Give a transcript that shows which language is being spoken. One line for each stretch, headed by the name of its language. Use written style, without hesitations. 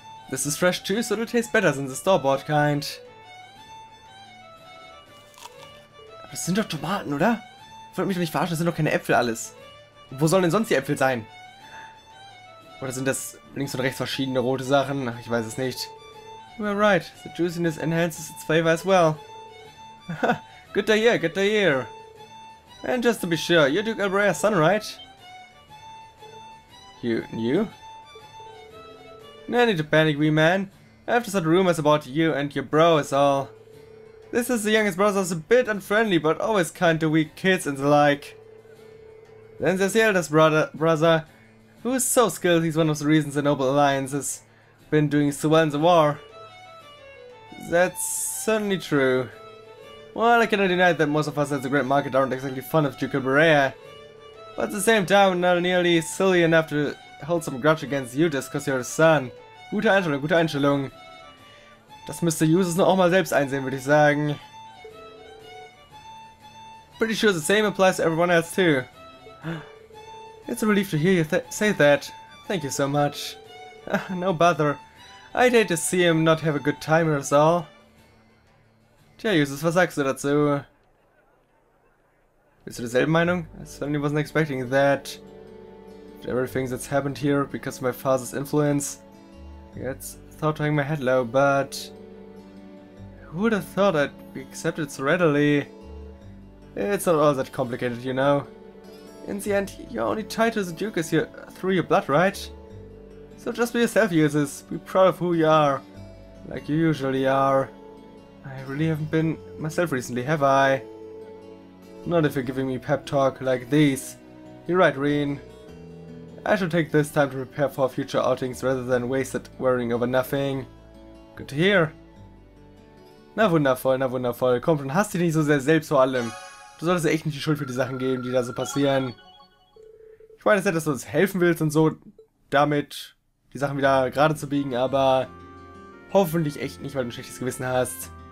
English: This is fresh too, so it tastes better than the store-bought kind.
German: Aber das sind doch Tomaten, oder? Wollt mich doch nicht verarschen, das sind doch keine Äpfel alles. Und wo sollen denn sonst die Äpfel sein? Oder sind das links und rechts verschiedene rote Sachen? Ich weiß es nicht.
English: You are right, the juiciness enhances its flavor as well. Good day here, good day here. And just to be sure, you're Duke Albrea's son, right? You knew? No need to panic, wee man. I've just heard rumors about you and your bro is all. This is the youngest brother's a bit unfriendly, but always kind to weak kids and the like. Then there's the eldest brother, who is so skilled he's one of the reasons the Noble Alliance has been doing so well in the war. That's certainly true. Well, I cannot deny that most of us at the Grand Market aren't exactly fond of Duke Albrea. But at the same time, not nearly silly enough to hold some grudge against you just because you're a son.
German: Gute Einstellung. Das müsste Jusus nur auch mal selbst einsehen, würde ich sagen.
English: Pretty sure the same applies to everyone else too. It's a relief to hear you say that. Thank you so much. No bother. I'd hate to see him not have a good time or so.
German: Tja, Jusus, was sagst du dazu? Bist du derselben Meinung?
English: I certainly wasn't expecting that. With everything that's happened here because of my father's influence. Yeah, it's thought to hang my head low, but... Who would have thought I'd be accepted so readily? It's not all that complicated, you know. In the end, you're only tied to the Duke as you're through your blood, right? So just be yourself, Jusus. Be proud of who you are. Like you usually are. I really haven't been myself recently, have I? Not if you're giving me pep talk like these. You're right, Reen. I should take this time to prepare for future outings rather than waste it worrying over nothing. Good to hear.
German: Na wundervoll. Komm schon, hast dich nicht so sehr selbst vor allem. Du solltest dir echt nicht die Schuld für die Sachen geben, die da so passieren. Ich meine, es ist ja, dass du uns helfen willst und so, damit die Sachen wieder gerade zu biegen, aber hoffentlich echt nicht, weil du ein schlechtes Gewissen hast.